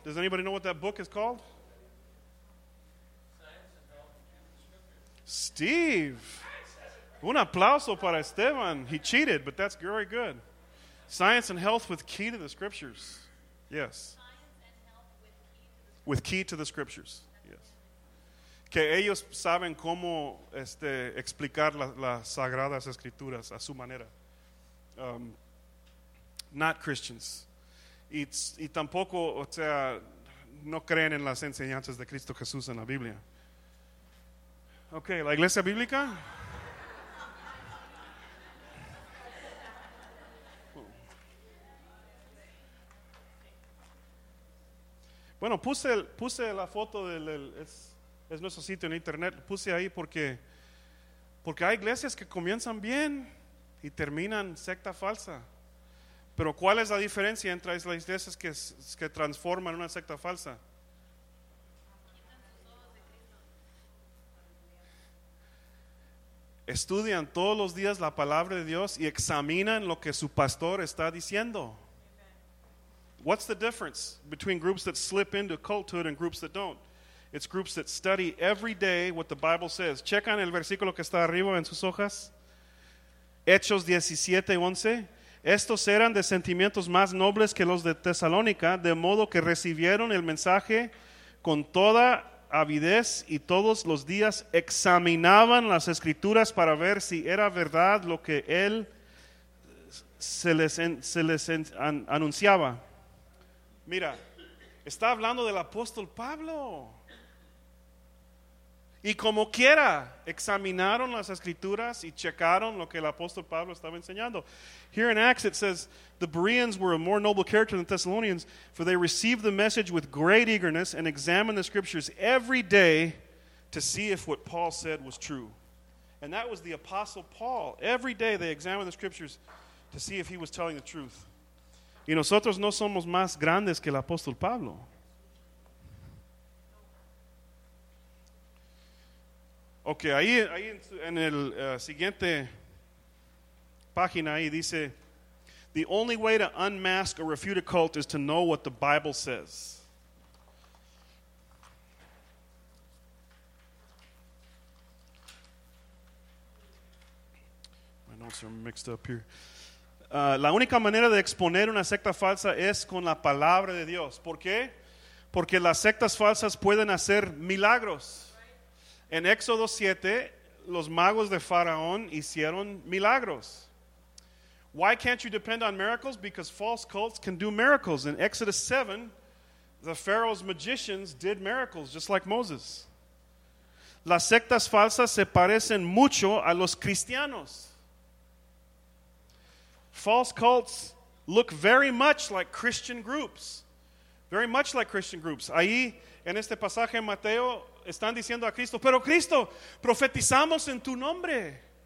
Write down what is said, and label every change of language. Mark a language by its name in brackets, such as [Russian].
[English] Does anybody know what that book is called? [Spanish] Steve. Un aplauso para Esteban. [English] He cheated, but that's very good. Science and Health with Key to the Scriptures. Yes. With Key to the Scriptures. Yes. [Spanish] Que ellos saben cómo explicar las Sagradas Escrituras a su manera. [English] Not Christians. [Spanish] Y tampoco, o sea, no creen en las enseñanzas de Cristo Jesús en la Biblia. Okay, la Iglesia Bíblica. Bueno, puse la foto del es nuestro sitio en internet. Puse ahí porque hay iglesias que comienzan bien y terminan secta falsa. Pero ¿cuál es la diferencia entre las iglesias que transforman una secta falsa? Estudian todos los días la palabra de Dios y examinan lo que su pastor está diciendo. [English] What's the difference between groups that slip into culthood and groups that don't? It's groups that study every day what the Bible says. [Spanish] Checan el versículo que está arriba en sus hojas. Hechos 17:11. Estos eran de sentimientos más nobles que los de Tesalónica, de modo que recibieron el mensaje con toda avidez y todos los días examinaban las escrituras para ver si era verdad lo que él se les anunciaba. Mira, está hablando del apóstol Pablo. Y como quiera, examinaron las escrituras y checaron lo que el apóstol Pablo estaba enseñando. [English] Here in Acts it says, the Bereans were a more noble character than Thessalonians, for they received the message with great eagerness and examined the scriptures every day to see if what Paul said was true. And that was the apostle Paul. Every day they examined the scriptures to see if he was telling the truth. [Spanish] Y nosotros no somos más grandes que el apóstol Pablo. Ok, ahí en el siguiente página ahí dice: [English] the only way to unmask or refute a cult is to know what the Bible says. My notes are mixed up here. [Spanish] La única manera de exponer una secta falsa es con la palabra de Dios. ¿Por qué? Porque las sectas falsas pueden hacer milagros. En Éxodo 7, los magos de Faraón hicieron milagros. [English] Why can't you depend on miracles? Because false cults can do miracles. In Exodus 7, the Pharaoh's magicians did miracles, just like Moses. [Spanish] Las sectas falsas se parecen mucho a los cristianos. [English] False cults look very much like Christian groups. Very much like Christian groups. [Spanish] Ahí, en este pasaje en Mateo, están diciendo a Cristo: pero Cristo, profetizamos en tu nombre.